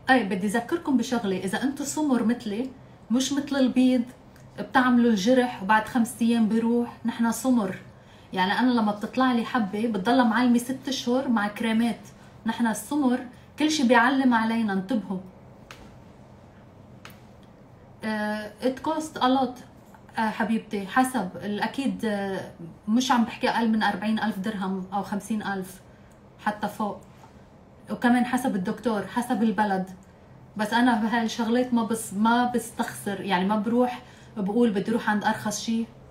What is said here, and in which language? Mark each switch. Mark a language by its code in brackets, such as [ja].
[ar] ايه بدي اذكركم بشغلة، اذا انتو سمر مثلي مش مثل البيض بتعملوا الجرح وبعد 5 أيام بيروح، نحنا سمر. يعني أنا لما بتطلع لي حبة بتضل معلمي 6 شهور مع كريمات. نحنا السمر كل شي بيعلم علينا، انتبهوا. [en] It cost a lot [ar] حبيبتي. حسب الأكيد مش عم بحكي أقل من 40,000 درهم أو 50,000 حتى فوق، وكمان حسب الدكتور حسب البلد. بس أنا بهالشغلات ما بستخسر يعني، ما بروح بقول بدي روح عند أرخص شيء.